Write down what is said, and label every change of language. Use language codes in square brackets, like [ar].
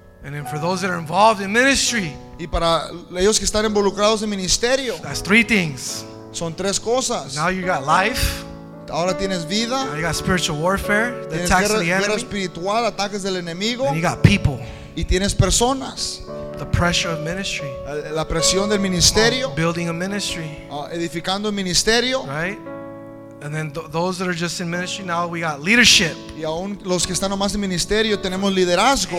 [en] And then for those that are involved in ministry. [es] Y para ellos que están involucrados en ministerio. [en] That's three things. [es] Son tres cosas. [en] Now you got life. [es] Ahora tienes vida. [en] Now you got spiritual warfare. The [es] tienes [en] attacks of the enemy. [es] Guerra espiritual, ataques del enemigo. [en] And you got people. [es] Y tienes personas. [en] The pressure of ministry. [es] La presión del ministerio. [en] Building a ministry. [es] Edificando el ministerio. [en] Right? And then those that are just in ministry, now we got leadership. [es] Y aún los que están nomás en ministerio, tenemos liderazgo.